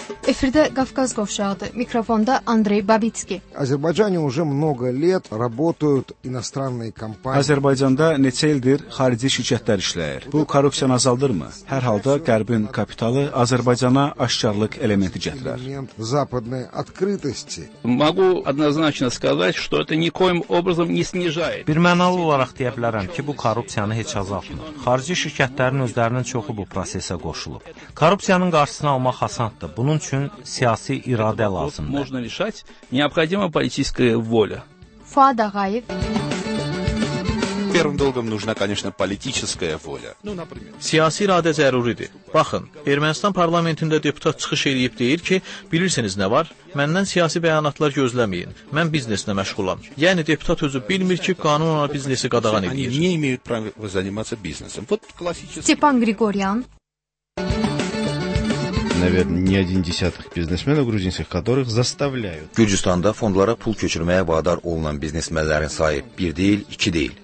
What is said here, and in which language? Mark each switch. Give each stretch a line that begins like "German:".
Azerbaijani: Эфирде Кавказ Говшады, микрофонда Андрей Бабицкий.
Russian: Азербайджане уже много лет работают иностранные компании.
Azerbaijani: Азербайджанда neçə ildir xarici şirkətlər işləyir. Bu korrupsiyanı azaldırmı? Hər halda qərbin kapitalı Azərbaycana aşkarlıq elementi gətirir.
Russian: Западной открытости. Могу однозначно сказать, что это никоим образом не снижает.
Azerbaijani: Bir mənalı olaraq deyə bilərəm ki, bu korrupsiyanı heç azaltmır. Xarici şirkətlərin özlərinin çoxu bu prosesə qoşulub. Korrupsiyanın qarşısını almaq asandır. Bunun üçün siyasi iradə lazımdır.
Russian: Можно решать, необходима политическая воля. Фуад Ағаев. Первым долгом нужна, конечно, политическая воля. Ну, например.
Azerbaijani: Siyasi iradə zəruridir. Baxın, Ermənistan parlamentində deputat çıxış edib deyir ki, bilirsiniz nə var? Məndən siyasi bəyanatlar gözləməyin. Mən bizneslə məşğulam. Yəni deputat özü bilmir ki, qanun ona biznesi qadağan edir.
Russian: Они не имеют права заниматься бизнесом. Вот классический. Степан Григорян. Наверное, не один десяток бизнесменов грузинских, которых заставляют.
Azerbaijani: Gürcüstanda fondlara pul köçürməyə vadar olunan biznesmenlərin sayı bir deyil, iki deyil.